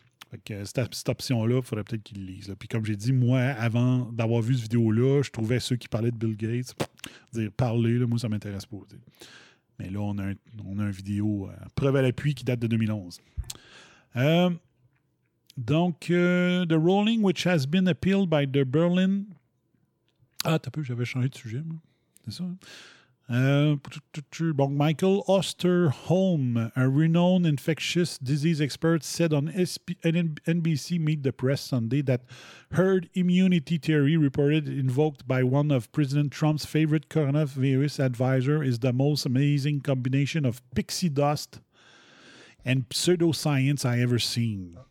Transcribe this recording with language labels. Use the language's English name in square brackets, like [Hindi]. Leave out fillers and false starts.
[French] Fait que cette option-là, il faudrait peut-être qu'ils le lisent. Puis comme j'ai dit, moi, avant d'avoir vu cette vidéo-là, je trouvais ceux qui parlaient de Bill Gates, moi, ça ne m'intéresse pas. T'sais. Mais là, on a une vidéo, preuve à l'appui, qui date de 2011. [English] The ruling which has been appealed by the Berlin... [French] Ah, t'as peur, j'avais changé de sujet, moi. C'est ça, hein? [English] Michael Osterholm, a renowned infectious disease expert, said on NBC Meet the Press Sunday that herd immunity theory reported invoked by one of President Trump's favorite coronavirus advisor is the most amazing combination of pixie dust and pseudoscience I ever seen.